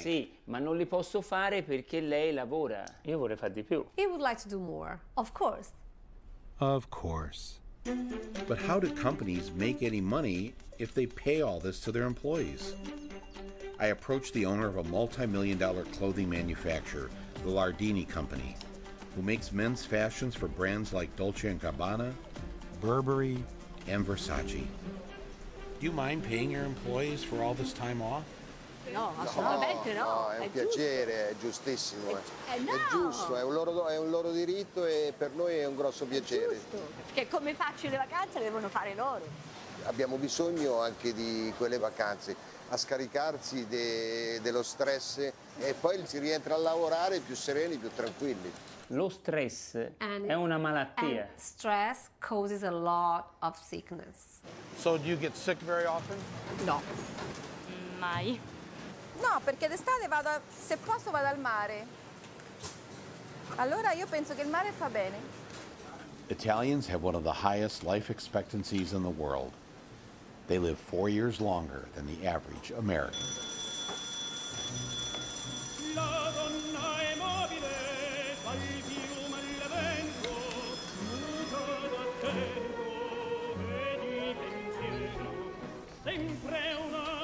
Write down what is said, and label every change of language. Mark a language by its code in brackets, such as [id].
[it] Sì, ma non li posso fare perché lei lavora. Io vorrei fare di più. [en] He would like to do more, of course. Of course. But how do companies make any money if they pay all this to their employees? I approached the owner of a multi-million dollar clothing manufacturer, the Lardini Company, who makes men's fashions for brands like Dolce & Gabbana, Burberry, and Versace. Do you mind paying your employees for all this time off? [it] No, assolutamente no. No, è un piacere, giusto. È giustissimo. No. È giusto, è un loro diritto e per noi è un grosso piacere. Che come faccio le vacanze le devono fare loro. Abbiamo bisogno anche di quelle vacanze, a scaricarsi dello stress e poi si rientra a lavorare più sereni, più tranquilli. Lo stress è una malattia. [en] And stress causes a lot of sickness. So do you get sick very often? [it] No. Mai. No, perché d'estate vado, se posso vado al mare. Allora io penso che il mare fa bene. [en] Italians have one of the highest life expectancies in the world. They live 4 years longer than the average American. [it] La donna è mobile, fai più mal vento, muto d'attento, vedi pensiero, sempre una.